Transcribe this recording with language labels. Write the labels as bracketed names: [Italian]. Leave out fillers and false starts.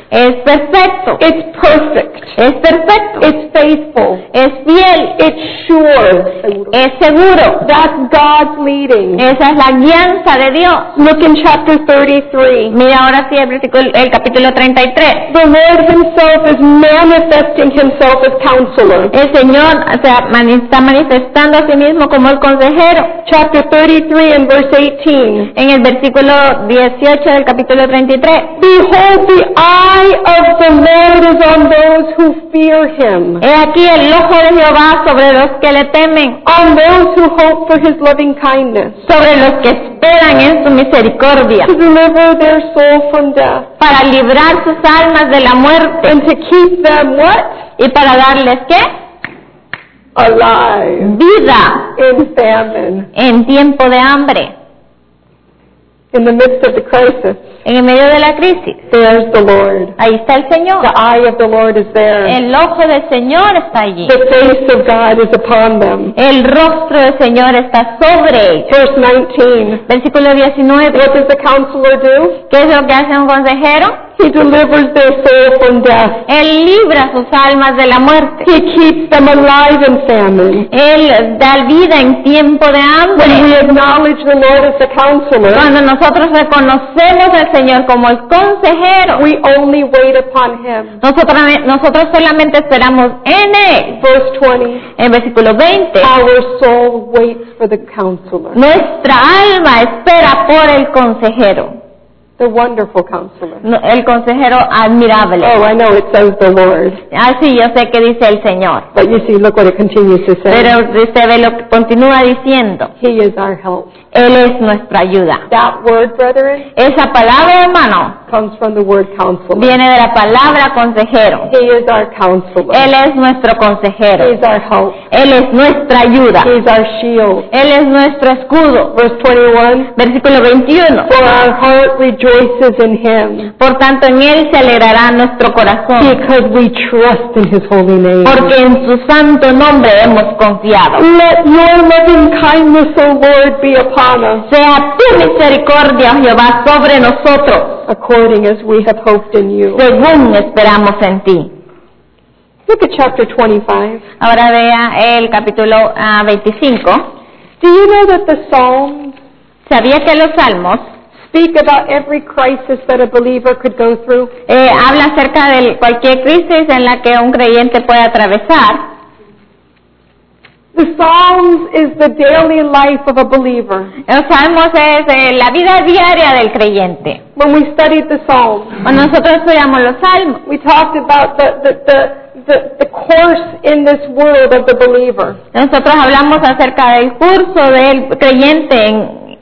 [Spanish] Es perfecto. [English] It's perfect. [Spanish] Es perfecto. [English] It's faithful. [Spanish] Es fiel. [English] It's sure. [Spanish] Es seguro. [English] That's God's leading. [Spanish] Esa es la guianza de Dios. [English] Look in chapter 33. [Spanish] Mira ahora sí el capítulo 33. [English] The Lord himself is manifesting himself as counselor. [Spanish] El Señor está manifestando a sí mismo como el consejero. [English] Chapter 33 and verse 18. [Spanish] En el versículo 18 del capítulo 33. [English] Behold the eye. The eye of the Lord is on those who fear him. [Spanish] He aquí el ojo de Jehová sobre los que le temen. [English] On those who hope for his loving kindness. [Spanish] Sobre los que esperan en su misericordia. [English] To deliver their soul from death. [Spanish] Para librar sus almas de la muerte. [English] And to keep them what? [Spanish] Y para darles ¿qué? [English] Alive. [Spanish] Vida. [English] In famine. [Spanish] En tiempo de hambre. [English] In the midst of the crisis. [Spanish] En el medio de la crisis. [English] There's the Lord. [Spanish] Ahí está el Señor. [English] The eye of the Lord is there. [Spanish] El ojo del Señor está allí. [English] The face of God is upon them. [Spanish] El rostro del Señor está sobre ellos. [English] Verse 19. [Spanish] Versículo 19. [English] What does the counselor do? [Spanish] ¿Qué es lo que hace un consejero? [English] He delivers their soul from death. [Spanish] Él libra sus almas de la muerte. [English] He keeps them alive in famine. [Spanish] Él da vida en tiempo de hambre. [English] When we acknowledge the Lord as the counselor, [Spanish] cuando nosotros reconocemos al Señor como el consejero, [English] we only wait upon him. [Spanish] Nosotros solamente esperamos en él. [English] Verse 20. [Spanish] En versículo 20. [English] Our soul waits for the counselor. [Spanish] Nuestra alma espera por el consejero. [English] The wonderful counselor. [Spanish] El consejero admirable. [English] Oh, I know it says the Lord. [Spanish] Ah, sí, yo sé que dice el Señor. [English] But you see, look what it continues to say. [Spanish] Pero usted ve lo que continúa diciendo. [English] He is our help. [Spanish] Él es nuestra ayuda. [English] That word, brethren, [Spanish] esa palabra, hermano, [English] comes from the word counselor. [Spanish] Viene de la palabra consejero. [English] He is our counselor. [Spanish] Él es nuestro consejero. [English] He is our help. [Spanish] Él es nuestra ayuda. [English] He is our shield. [Spanish] Él es nuestro escudo. [English] Verse 21. [Spanish] Versículo 21. [English] For our heart rejoices in him. [Spanish] Por tanto, en él se alegrará nuestro corazón. [English] Because we trust in his holy name. [Spanish] Porque en su santo nombre hemos confiado. [English] Let your loving kindness, O Lord, be upon us. [Spanish] Sea tu misericordia, Jehová, sobre nosotros. [English] According as we have hoped in you. [Spanish] Según esperamos en ti. [English] Look at chapter 25. [Spanish] Ahora vea el capítulo 25. [English] Do you know that the Psalms? [Spanish] ¿Sabía que los Salmos? [English] Speak about every crisis that a believer could go through. [Spanish] Habla acerca de cualquier crisis en la que un creyente puede atravesar. [English] The Psalms is the daily life of a believer. [Spanish] Los Salmos es la vida diaria del creyente. [English] When we studied the Psalms, [Spanish] cuando nosotros estudiamos los Salmos, [English] we talked about the course in this world of the believer. [Spanish] Nosotros hablamos acerca del curso del creyente en